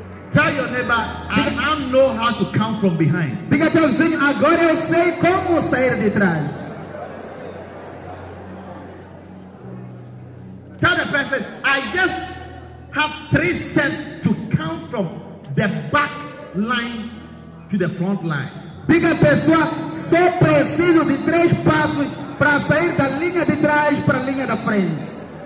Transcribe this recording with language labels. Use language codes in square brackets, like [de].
[en] Tell your neighbor, I don't know how to come from behind. [pt] Diga teu vizinho, agora eu sei como sair de trás. [en] Tell the person, I just have 3 steps to come from the back line to the front line. [pt] Diga a pessoa, só preciso de 3 passos para sair da linha de trás para a linha da frente.